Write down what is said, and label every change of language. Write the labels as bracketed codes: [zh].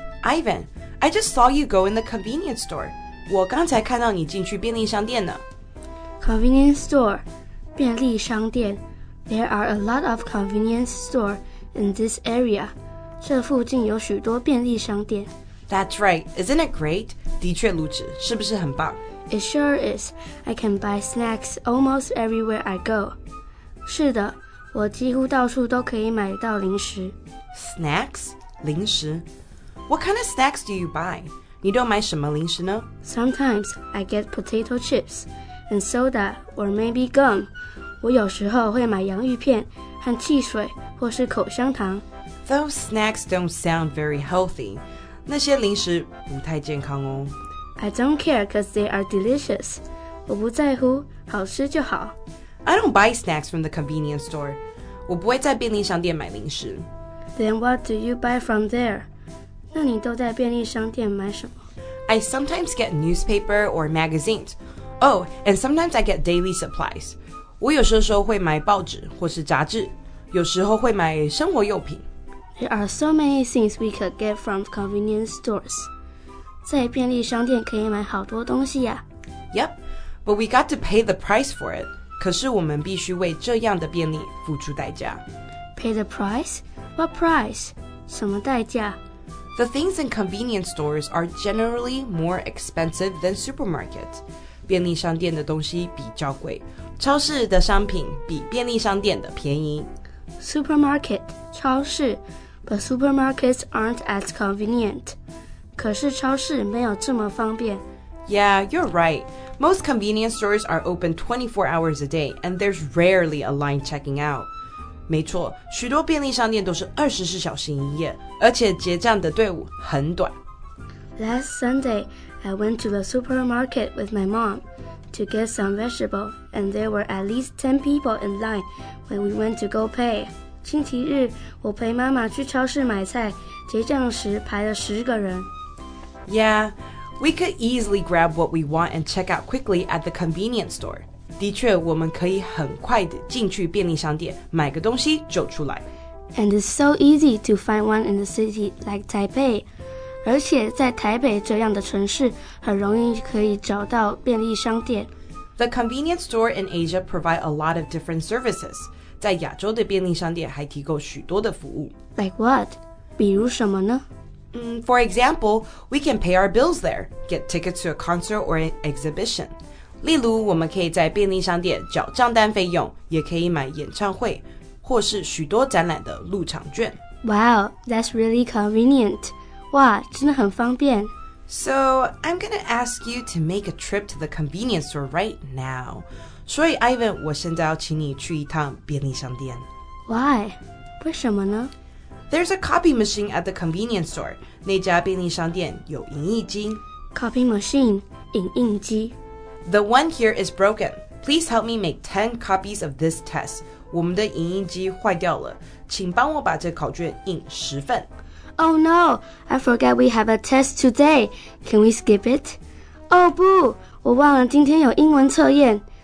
[en] Ivan, I just saw you go in the convenience store. [zh] 我刚才看到你进去便利商店呢。 [en] Convenience store, 便利商店。 There are a lot of convenience store in this area. [zh] 这附近有许多便利商店。 [en] That's right, isn't it great? [zh] 的确如此，是不是很棒？ [en] It sure is. I can buy snacks almost everywhere I go. [zh] 是的，我几乎到处都可以买到零食。 [en] Snacks? 零食?What kind of snacks do you buy? [zh] 你都买什么零食呢? [en] Sometimes I get potato chips and soda or maybe gum. [zh] 我有时候会买洋芋片和汽水或是口香糖。 [en] Those snacks don't sound very healthy. [zh] 那些零食不太健康哦。 [en] I don't care because they are delicious. [zh] 我不在乎，好吃就好。 [en] I don't buy snacks from the convenience store. [zh] 我不会在便利商店买零食。 [en] Then what do you buy from there? [zh] 那你都在便利商店买什么? [en] I sometimes get newspaper or magazines. Oh, and sometimes I get daily supplies. [zh] 我有时候会买报纸或是杂志，有时候会买生活用品。 [en] There are so many things we could get from convenience stores. [zh] 在便利商店可以买好多东西呀。 [en] Yep, but we got to pay the price for it. [zh] 可是我们必须为这样的便利付出代价。 [en] Pay the price? What price? [zh] 什么代价? [en] The things in convenience stores are generally more expensive than supermarkets. [zh] 便利商店的东西比较贵。超市的商品比便利商店的便宜。 [en] Supermarket, 超市, but supermarkets aren't as convenient. [zh] 可是超市没有这么方便。 [en] Yeah, you're right. Most convenience stores are open 24 hours a day, and there's rarely a line checking out. [zh] 没错，许多便利商店都是24小时营业，而且结账的队伍很短。 [en] Last Sunday, I went to the supermarket with my mom to get some vegetables, and there were at least 10 people in line when we went to go pay. [zh] 星期日，我陪妈妈去超市买菜，结账时排了十个人。 [en] Yeah, we could easily grab what we want and check out quickly at the convenience store. [zh] 的确，我们可以很快地进去便利商店，买个东西就出来。 [en] And it's so easy to find one in the city like Taipei. [zh] 而且在台北这样的城市，很容易可以找到便利商店。 [en] The convenience store in Asia provide a lot of different services. [zh] 在亚洲的便利商店还提供许多的服务。 [en] Like what? [zh] 比如什么呢? [en] For example, we can pay our bills there, get tickets to a concert or an exhibition. [zh] 例如我们可以在便利商店缴账单费用，也可以买演唱会，或是许多展览的入场券。 [en] Wow, that's really convenient. [zh] 哇，真的很方便。 [en] So, I'm gonna ask you to make a trip to the convenience store right now. [zh] 所以 Ivan, 我现在要请你去一趟便利商店。 [en] Why? [zh] 为什么呢? [en] There's a copy machine at the convenience store. [zh] 那家便利商店有影印机。 [en] Copy machine, 影印机。 The one here is broken. Please help me make 10 copies of this test. [zh] 我们的影印机坏掉了。请帮我把这考卷印十份。 [en] Oh no, I forgot we have a test today. Can we skip it? [zh] Oh 不,我忘了今天有英文测验。